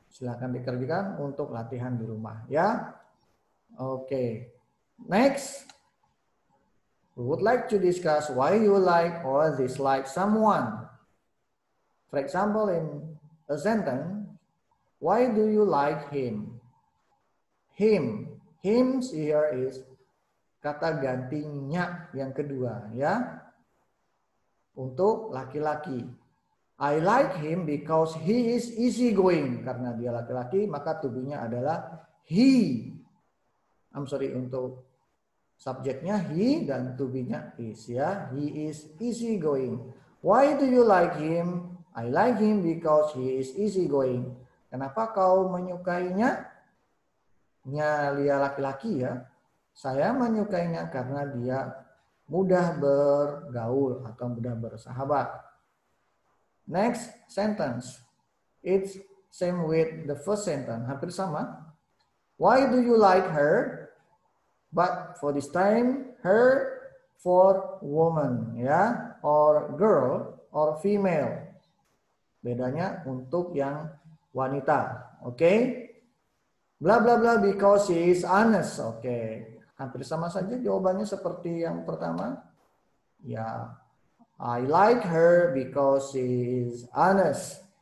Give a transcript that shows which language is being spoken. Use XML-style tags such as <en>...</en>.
<id>Silakan dikerjakan untuk latihan di rumah, ya.</id> <en>Okay, next, we would like to discuss why you like or dislike someone. For example, in a sentence, why do you like him? him. Him here is</en> <id>kata gantinya yang kedua ya. Untuk laki-laki.</id> <en>I like him because he is easygoing.</en> <id>Karena dia laki-laki, maka tubuhnya adalah he.</id> <en>I'm sorry,</en> <id>untuk subjeknya he dan tubuhnya is ya.</id> <en>He is easygoing. Why do you like him? I like him because he is easygoing.</en> <id>Kenapa kau menyukainya? Nya dia laki-laki ya. Saya menyukainya karena dia mudah bergaul atau mudah bersahabat.</id> <en>Next sentence. It's same with the first sentence.</en> <id>Hampir sama.</id> <en>Why do you like her? But for this time, her for woman, ya, or girl, or female.</en> <id>Bedanya untuk yang wanita. Oke. Blah, blah, blah,</id> <en>because she is honest.</en> <id>Oke. Hampir sama saja jawabannya seperti yang pertama. Ya.</id> <en>I like her because she is honest.</en>